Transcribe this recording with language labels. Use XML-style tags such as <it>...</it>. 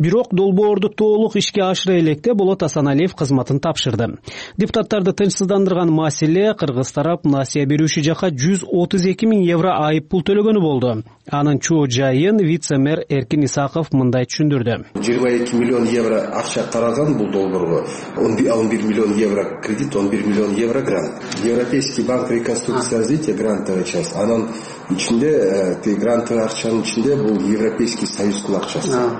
<ky>Бирок долбоорду толук ишке ашыра электе Болот Асаналиев кызматын тапшырды. Депутаттарды тынчсыздандырган маселе кыргыз тарап насия берүүчү жака 132 000 евро айыппул төлөгөнү болду. Анын чоо жайын вице-мэр Эркин Исаков мындай түшүндүрдү. 22 миллион евро акча каралган бул долбоорго. 11 миллион евро кредит, 11 миллион евро грант.</ky> <ru>Европейский банк реконструкции и развития грантовая часть.</ru> <ky>Анын ичинде тий грантовый акчанын ичинде бул Европейский союздун акчасы.</ky>